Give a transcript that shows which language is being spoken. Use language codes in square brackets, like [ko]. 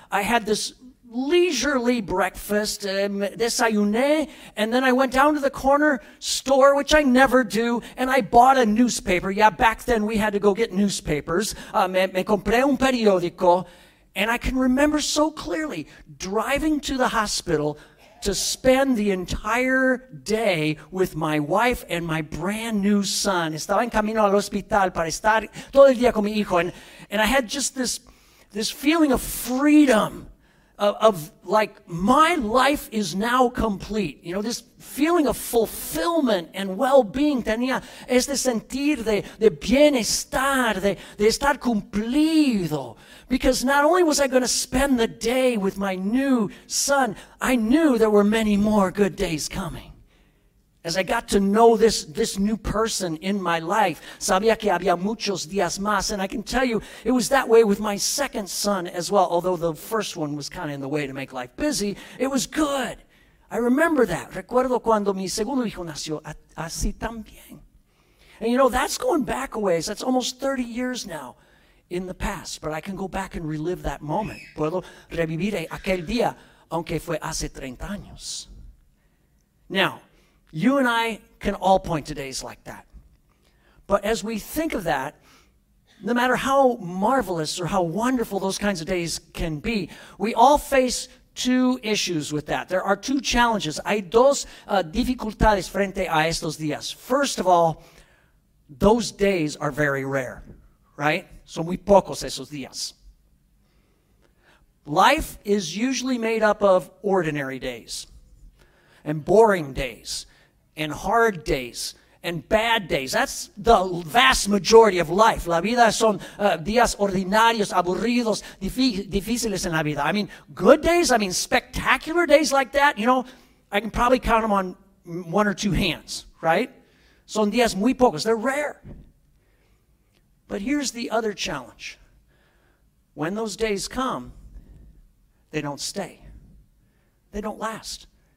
[en] I had this leisurely breakfast, desayuné, and then I went down to the corner store, which I never do, and I bought a newspaper. Yeah, back then we had to go get newspapers. [es] Me compré un periódico, [en] and I can remember so clearly driving to the hospital to spend the entire day with my wife and my brand new son. [es] Estaba en camino al hospital para estar todo el día con mi hijo, [en] and I had just this feeling of freedom. Of like, my life is now complete. You know, this feeling of fulfillment and well-being. [es] Tenía este sentir de bienestar, de estar cumplido. [en] Because not only was I going to spend the day with my new son, I knew there were many more good days coming. As I got to know this new person in my life, [es] sabía que había muchos días más. [en] And I can tell you, it was that way with my second son as well. Although the first one was kind of in the way to make life busy, it was good. I remember that. [es] Recuerdo cuando mi segundo hijo nació, así también. [en] And you know, that's going back a ways. That's almost 30 years now in the past. But I can go back and relive that moment. [es] Puedo revivir aquel día, aunque fue hace 30 años. [en] Now, you and I can all point to days like that. But as we think of that, no matter how marvelous or how wonderful those kinds of days can be, we all face two issues with that. There are two challenges. [es] Hay dos dificultades frente a estos días. [en] First of all, those days are very rare, right? [es] Son muy pocos esos días. [en] Life is usually made up of ordinary days and boring days and hard days and bad days. That's the vast majority of life. [es] La vida son días ordinarios, aburridos, difíciles en la vida. [en] I mean, good days, I mean, spectacular days like that, you know, I can probably count them on one or two hands, right? [es] Son días muy pocos. [en] They're rare. But here's the other challenge. When those days come, they don't stay. They don't last.